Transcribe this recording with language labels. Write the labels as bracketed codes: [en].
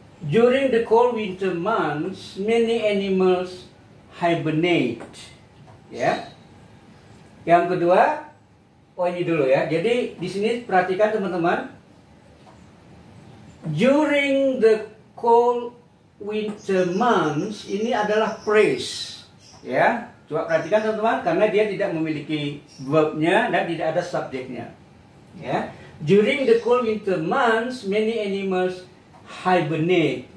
[en] During the cold winter months, many animals hibernate. [id] Ya. Yang kedua, oh ini dulu ya. Jadi di sini perhatikan teman-teman. [en] During the cold winter months, [id] ini adalah phrase. Ya. Coba perhatikan teman-teman, karena dia tidak memiliki verbnya dan tidak ada subjeknya. Ya. [en] During the cold winter months, many animals hibernate.